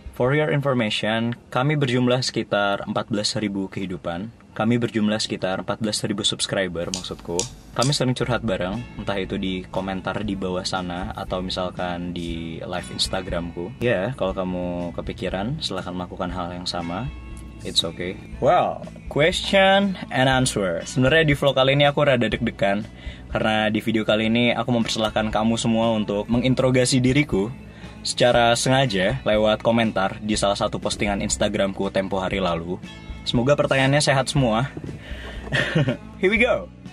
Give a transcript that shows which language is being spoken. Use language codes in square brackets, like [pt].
[en] For your information, [id] kami berjumlah sekitar 14.000 kehidupan. Kami berjumlah sekitar 14.000 subscriber, maksudku. Kami sering curhat bareng, entah itu di komentar di bawah sana atau misalkan di live Instagramku. Ya, kalau kamu kepikiran, silakan melakukan hal yang sama. [en] It's okay. Well, question and answer. [id] Sebenarnya di vlog kali ini aku rada deg-degan karena di video kali ini aku mempersilahkan kamu semua untuk menginterogasi diriku secara sengaja lewat komentar di salah satu postingan Instagramku tempo hari lalu. Semoga pertanyaannya sehat semua. [en] Here we go.